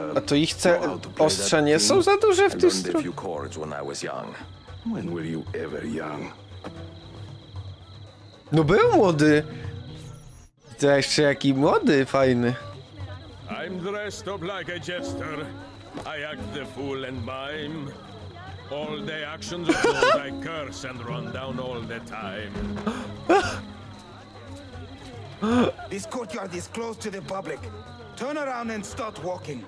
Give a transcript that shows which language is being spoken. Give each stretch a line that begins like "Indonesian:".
Polish: a to ich ostrza nie są za duże w tym stronie?
English: When I was young. When were you ever young?
Polish: No był młody. To jeszcze jaki młody, fajny.
English: I'm dressed up like a jester. I act the fool and mime. All the actions of those I curse and run down all the time. This courtyard is closed to the public. Turn around and start walking.